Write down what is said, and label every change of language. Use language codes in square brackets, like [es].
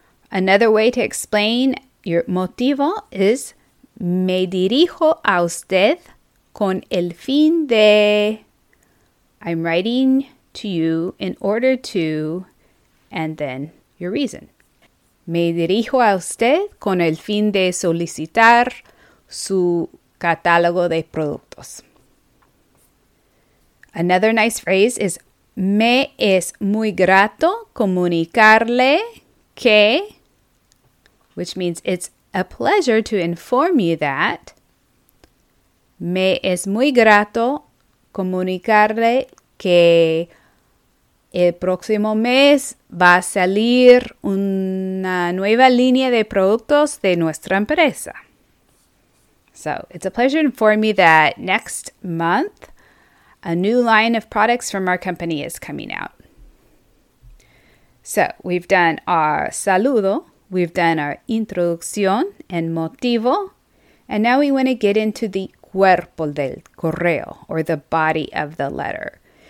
[en] Another way to explain your motivo is [es] me dirijo a usted con el fin de. [en] I'm writing to you in order to, and then your reason. [es] Me dirijo a usted con el fin de solicitar su catálogo de productos. [en] Another nice phrase is [es] me es muy grato comunicarle que, [en] which means it's a pleasure to inform you that. [es] Me es muy grato comunicarle que el próximo mes va a salir una nueva línea de productos de nuestra empresa. [en] So, it's a pleasure to inform you that next month, a new line of products from our company is coming out. So, we've done our saludo, we've done our introducción and motivo, and now we want to get into the cuerpo del correo, or the body of the letter.